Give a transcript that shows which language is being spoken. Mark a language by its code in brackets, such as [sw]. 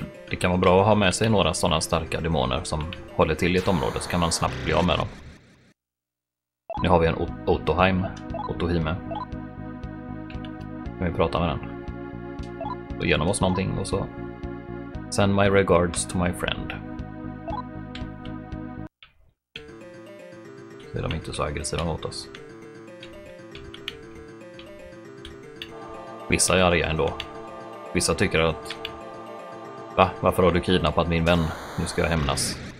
[sv] Det kan vara bra att ha med sig några sådana starka demoner som håller till i ett område, så kan man snabbt bli av med dem. Nu har vi en Otohime. Kan vi prata med den? Och genom oss någonting och så. [en] Send my regards to my friend. [sv] Så är de inte så aggressiva mot oss. Vissa är arga ändå. Vissa tycker att va? Varför har du kidnappat min vän? Nu ska jag hämnas.